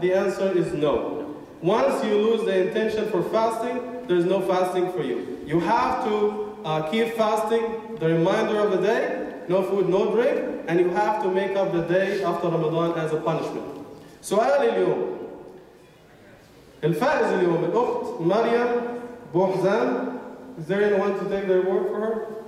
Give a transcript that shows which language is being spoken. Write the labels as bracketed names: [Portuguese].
[English] The answer is no. Once you lose the intention for fasting, there's no fasting for you. You have to keep fasting the remainder of the day, no food, no drink, and you have to make up the day after Ramadan as a punishment. [Arabic] سؤال اليوم. الفائز اليوم الأخت مريم بوحزان. [English] Is there anyone to take the reward for her?